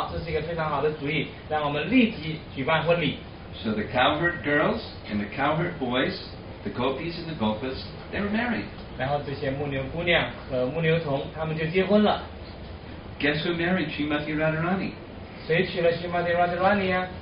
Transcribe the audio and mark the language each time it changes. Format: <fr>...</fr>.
<zh>这个波拉玛西说很好，这是一个非常好的主意，让我们立即举办婚礼。</zh> <en>So the cowherd girls and the cowherd boys, the gopis and the gopas, they were married.</en> <zh>然后这些牧牛姑娘和牧牛童他们就结婚了。</zh> <en>Guess who married Srimati Radharani?</en> <zh>谁娶了Srimati Radharani?</zh>